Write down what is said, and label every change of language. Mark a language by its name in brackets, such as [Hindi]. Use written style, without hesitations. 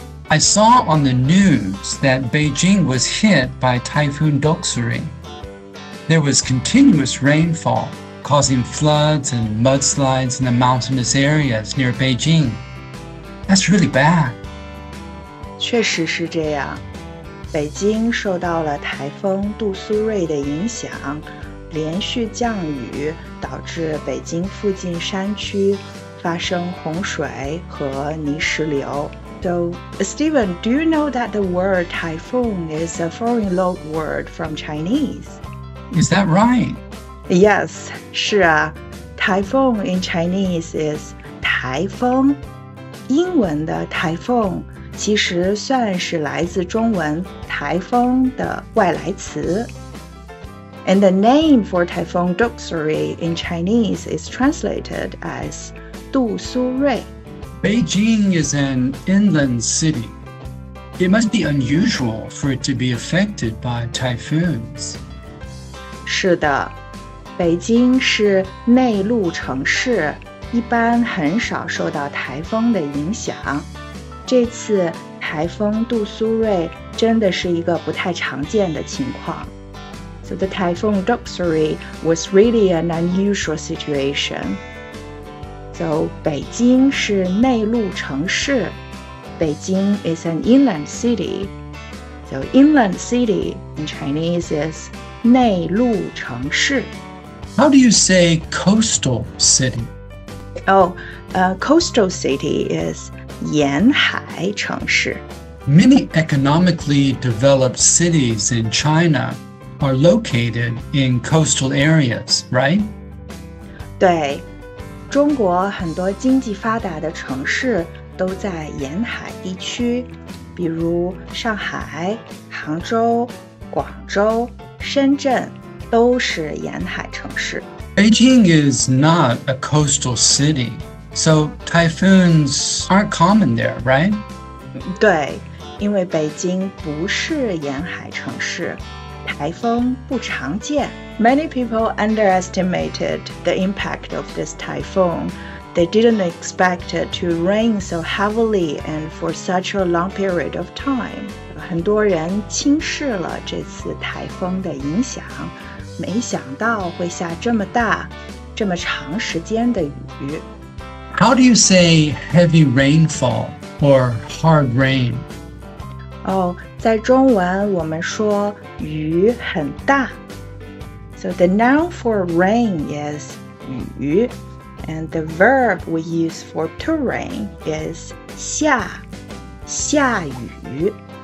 [English] I saw on the news that Beijing was hit by Typhoon Doxuri. There was continuous rainfall, causing floods and mudslides in the mountainous areas near Beijing. That's really bad. [Chinese] 确实是这样。北京受到了台风杜苏芮的影响，连续降雨导致北京附近山区发生洪水和泥石流。 [English] So, Steven, do you know that the word typhoon is a foreign loan word from Chinese? Is that right? Yes, [Chinese] 是啊。 [English] Typhoon in Chinese is 台风。 [Chinese] 英文的台风其实算是来自中文台风的外来词。 [English] And the name for Typhoon Doxuri in Chinese is translated as 杜苏芮。 Beijing is an inland city. It must be unusual for it to be affected by typhoons. [Chinese] 是的，北京是内陆城市，一般很少受到台风的影响。这次台风杜苏芮真的是一个不太常见的情况。 [English] So the typhoon Doxuri was really an unusual situation. So, Beijing [Chinese] 是内陆城市。 [English] Beijing is an inland city. So, inland city in Chinese is 内陆城市。 How do you say coastal city? Coastal city is 沿海城市。 Many economically developed cities in China are located in coastal areas, right? [Chinese] 对。中国很多经济发达的城市都在沿海地区，比如上海、杭州、广州、深圳都是沿海城市。 [English] Beijing is not a coastal city, so typhoons aren't common there, right? [Chinese] 对，因为北京不是沿海城市。台风不常见。 [English] Many people underestimated the impact of this typhoon. They didn't expect it to rain so heavily and for such a long period of time. [Chinese] 很多人轻视了这次台风的影响，没想到会下这么大，这么长时间的雨。 [English] How do you say heavy rainfall or hard rain? [Chinese] 在中文我们说雨很大。 [English] So the noun for rain is 雨 and the verb we use for to rain is 下, 下雨。